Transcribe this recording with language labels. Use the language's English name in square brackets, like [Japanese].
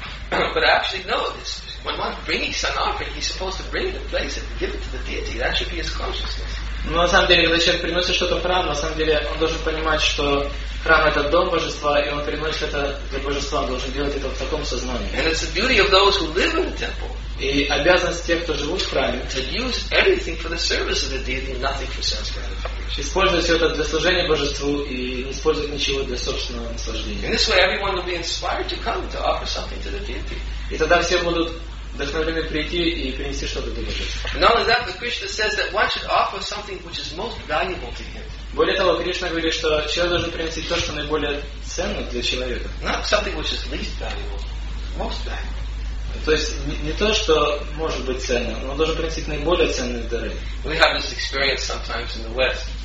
[English] But actually, no. This, when one brings an offering, he's supposed to bring the place and give it to the deity. That should be his consciousness. [Russian] Но на самом деле, когда человек приносит что-то в храм, на самом деле, он должен понимать, что храм это дом Божества, и он приносит это для Божества, он должен делать это в таком сознании. [English] And it's the duty of those who live in the temple. [Russian] И обязанность тех, кто живут в храме, [English] to use everything for the service of the deity, nothing for sense gratification. [Russian] Использовать все это для служения Божеству и не использовать ничего для собственного наслаждения. [English] In this way, everyone will be inspired to come to offer something to the deity. [Russian] И тогда все будут вдохновлены прийти и принести что-то для Божества. [English] Not only that, but Krishna says that one should offer something which is most valuable to him. [Russian] Более того, Кришна говорит, что человек должен принести то, что наиболее ценно для человека. [English] Not something which is least valuable, most valuable. [Russian] То есть не то, что может быть ценно, но он должен принести наиболее ценные дары. [English] We have this experience sometimes in the West.